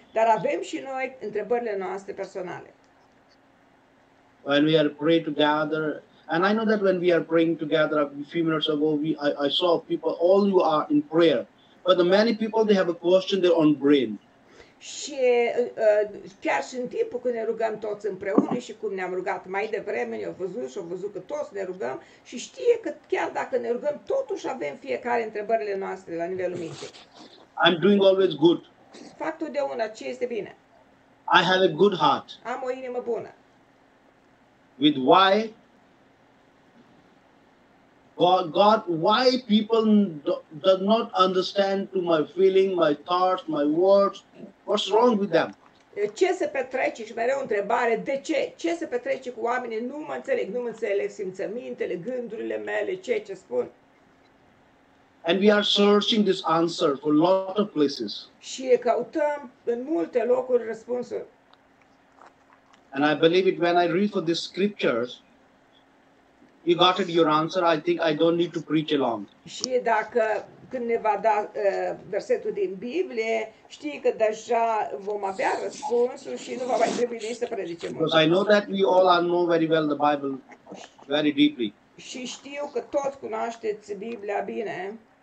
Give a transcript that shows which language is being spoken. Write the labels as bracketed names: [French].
[Romanian] Dar avem și noi întrebările noastre personale. [English] When we are praying together, and I know that when we are praying together a few minutes ago, I saw people, all you are in prayer. But the many people, they have a question, their own brain. [Romanian] Și chiar și în timpul când ne rugăm toți împreună și cum ne-am rugat mai devreme, eu văzut și au văzut că toți ne rugăm și știe că chiar dacă ne rugăm, totuși avem fiecare întrebările noastre la nivelul minții. [English] I'm doing always good. [Romanian] Fac totdeauna ce este bine. [English] I have a good heart. [Romanian] Am o inimă bună. [English] With why? God, why people does not understand to my feeling, my thoughts, my words? What's wrong with them? [Romanian] Ce se petrece? Și mereu întrebare, de ce? Ce se petrece cu oamenii? Nu mă înțeleg, nu mă înțeleg simțămintele, gândurile mele, ce spun? [English] And we are searching this answer for a lot of places. [Romanian] Și căutăm în multe locuri răspunsuri. [English] And I believe it when I read for these scriptures, you got it, your answer. I think I don't need to preach along. [Romanian] Și dacă când ne va da versetul din Biblie, știi că deja vom avea răspunsul și nu va mai trebui nici să predicem. [English] Because I know that we all know very well the Bible very deeply. [Romanian] Și știu că toți cunoașteți Biblia bine.